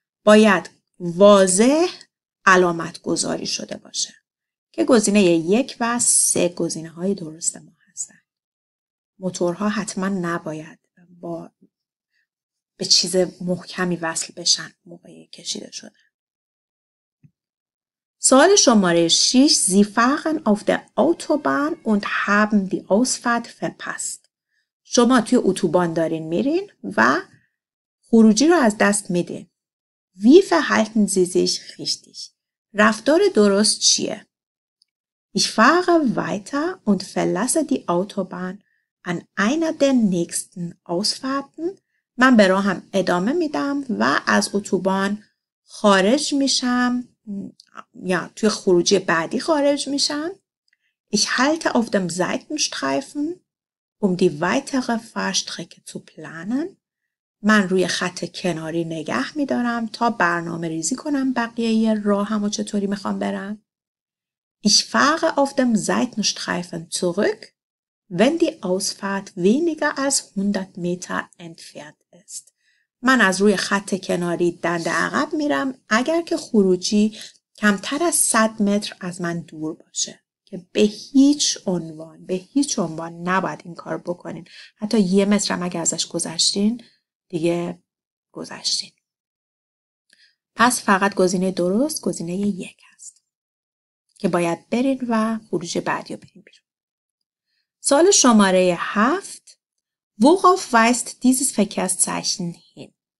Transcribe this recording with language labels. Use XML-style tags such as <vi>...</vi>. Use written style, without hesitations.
<fa>باید واضح علامت گذاری شده باشه. که گزینه یک و سه گزینه های درست ما هستن. موتورها حتما نباید به چیز محکمی وصل بشن موقع کشیده شده. سوال شماره 6</fa> <de>Sie fahren auf der Autobahn und haben die Ausfahrt verpasst.</de> <fa>شما توی اتوبان دارین میرین و خروجی رو از دست میدین.</fa> <de>Wie verhalten Sie sich richtig?</de> <fa>رفتار درست چیه؟</fa> <de>Ich fahre weiter und verlasse die Autobahn an einer der nächsten Ausfahrten.</de> <fa>من به راهم ادامه میدم و از اتوبان خارج میشم. یا توی خروجی بعدی خارج میشم.</fa> <de>Ich halte auf dem Seitenstreifen, die weitere Fahrstrecke zu planen.</de> <fa>من روی خط کناری نگه میدارم تا برنامه ریزی کنم بقیه یه راهم و چطوری میخوام برم.</fa> <de>Ich fahre auf dem Seitenstreifen zurück, wenn die Ausfahrt weniger als 100 Meter entfernt ist.</de> <fa>من از روی خط کناری دنده عقب میرم اگر که خروجی کمتر از 100 متر از من دور باشه که به هیچ عنوان نباید این کار بکنین. حتی یه متر هم اگه ازش گذشتین دیگه گذشتین. پس فقط گزینه درست گزینه یک هست که باید برین و خروج بعدی رو برین بیرون. سوال شماره 7</fa> <de>Worauf weist dieses Verkehrszeichen hin?</de>